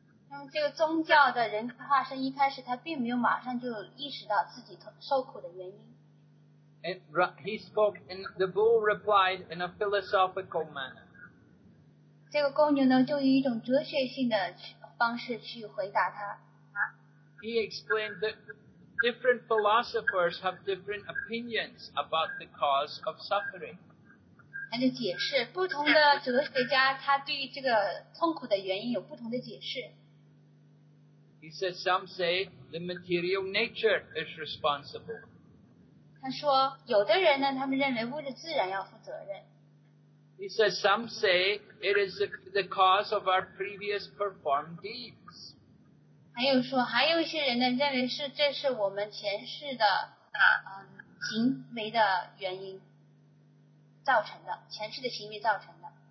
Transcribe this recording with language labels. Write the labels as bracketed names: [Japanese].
[Chinese] 那么这个宗教的人格化身一开始他并没有马上就意识到自己受苦的原因。 [English] The bull replied in a philosophical manner. [Chinese] 这个公牛呢就以一种哲学性的方式去回答他。 [English] He explained that different philosophers have different opinions about the cause of suffering. [Chinese] 他就解释，不同的哲学家他对于这个痛苦的原因有不同的解释。 [English] He says some say the material nature is responsible. [Chinese] 他说，有的人呢，他们认为物质自然要负责任。 [English] He says some say it is the cause of our previous performed deeds. [Chinese] 还有说，还有一些人呢，认为是这是我们前世的行为的原因。造成的，前世的行为造成的。